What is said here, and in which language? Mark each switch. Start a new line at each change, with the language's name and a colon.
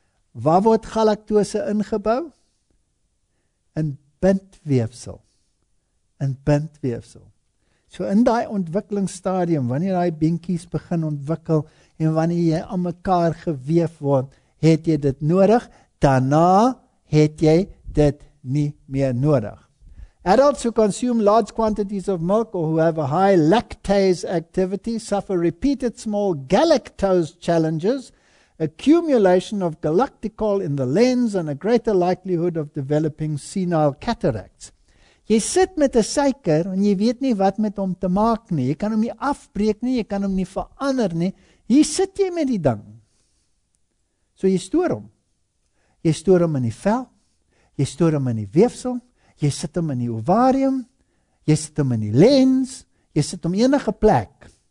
Afrikaans: Waar word galaktose ingebou? In bindweefsel. In bindweefsel. So in daai ontwikkelingsstadium, wanneer daai beentjies begin ontwikkel en wanneer jy aan mekaar geweef word, het jy dit nodig. Daarna het jy dit nie meer nodig.
English: Adults who consume large quantities of milk or who have a high lactase activity suffer repeated small galactose challenges, accumulation of galactical in the lens and a greater likelihood of developing senile cataracts.
Afrikaans: Jy sit met 'n suiker en jy weet nie wat met hom te maak nie. Jy kan hom nie afbreek nie, jy kan hom nie verander nie. Hier sit jy met die ding. So jy stoor hom. Jy stoor hom in die vel, jy stoor hom in die weefsel, jy sit hom in die ovarium, jy sit hom in die lens, jy sit hom enige plek.